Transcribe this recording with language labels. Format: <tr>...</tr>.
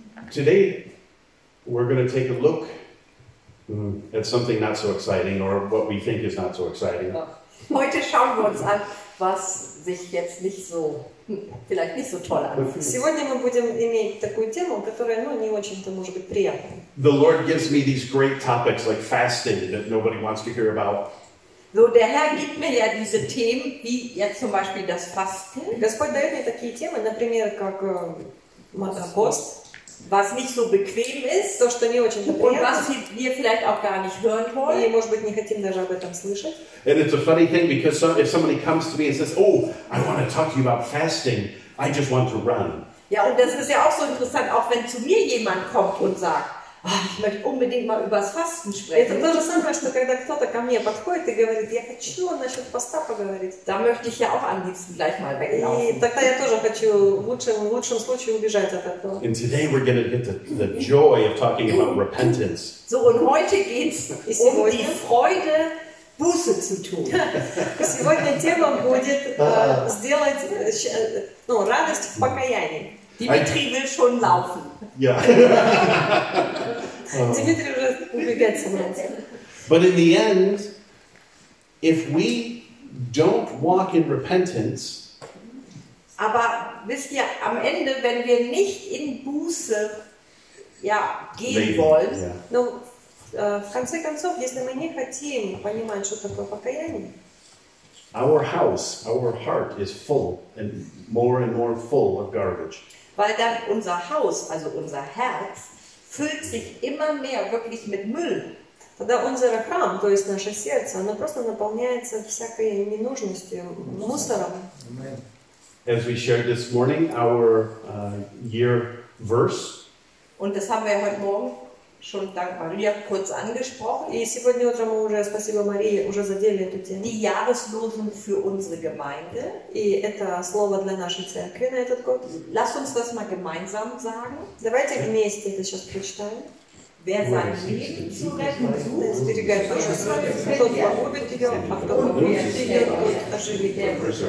<en>Today, we're going to take a look at something not so exciting, or what we think is not so exciting.</en> <de>Heute schauen wir uns an, was sich jetzt nicht so, vielleicht nicht so toll anfühlt.</de> <ru>Сегодня мы будем иметь такую тему, которая, ну, не очень-то может быть приятной.</ru> <en>The Lord gives me these great topics like fasting that nobody wants to hear about.</en> <de>So, der Herr gibt mir ja diese Themen, wie jetzt zum Beispiel das Fasten.</de> <ru>Господь дает мне такие темы, например, как пост,</ru> <de>was nicht so bequem ist,</de> <ru>то, что не очень-то приятно,</ru> <de>was wir vielleicht auch gar nicht hören wollen.</de> <ru>И, может быть, не хотим даже об этом слышать.</ru> <en>And it's a funny thing, because some, if somebody comes to me and says, oh, I want to talk to you about fasting, I just want to run.</en> <de>Ja, und das ist ja auch so interessant, auch wenn zu mir jemand kommt und sagt, ich möchte unbedingt mal über das Fasten sprechen.</de> <ru>Это то же самое, что когда кто-то ко мне подходит и говорит, я хочу насчет поста поговорить.</ru> <de>Da möchte ich ja auch am liebsten gleich mal weglaufen.</de> <ru>И тогда я тоже хочу в лучшем случае убежать от этого.</ru> <en>And today we're going to get the joy of talking about repentance.</en> <de>So, und heute geht's um die Freude, Buße zu tun.</de> <ru>Сегодня тема будет сделать, ну, радость в покаянии.</ru> <de>Dimitri will schon laufen. Ja. Dimitri will übrigens zum Laufen.</de> <en>But in the end, if we don't walk in repentance,</en> <de>aber wisst ihr, am Ende, wenn wir nicht in Buße ja, gehen leben, wollen,</de> <en>yeah.</en> <ru>Ну, в конце концов, если мы не хотим понимать, что такое покаяние,</ru> <en>our house, our heart is full and more full of garbage.</en> <de>Weil dann unser Haus, also unser Herz, füllt sich immer mehr wirklich mit Müll.</de> <ru>Тогда</ru> <de>unser Kram,</de> <ru>то есть наше Сердце, оно просто наполняется всякой ненужностью, мусором.</ru> <en>As we shared this morning, our year verse.</en> <de>Und das haben wir heute Morgen schon dank Maria kurz angesprochen.</de> <ru>И сегодня утром мы уже, спасибо Марии, уже задели эту тему.</ru> <de>Die Jahreslosung für unsere Gemeinde.</de> <ru>И это слово для нашей церкви на этот год.</ru> <de>Lass uns das mal gemeinsam sagen.</de> <ru>Давайте вместе это сейчас прочитаем.</ru> <de>Wer sein Leben zu retten sucht,</de> <ru>тот погубит ее, а кто погубит ее, тот оживит ее.</ru>